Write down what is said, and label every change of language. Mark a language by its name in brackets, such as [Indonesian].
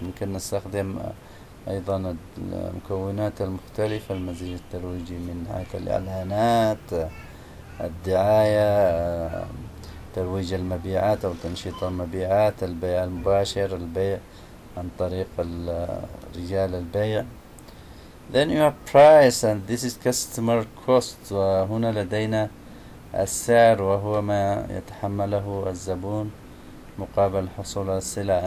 [Arabic] ممكن نستخدم أيضا المكونات المختلفة المزيج الترويجي من حيث الإعلانات الدعاية ترويج المبيعات أو تنشيط المبيعات البيع المباشر البيع عن طريق رجال البيع. [English] Then you have price and this is customer cost. [Arabic] وهنا لدينا السعر وهو ما يتحمله الزبون مقابل حصول السلع.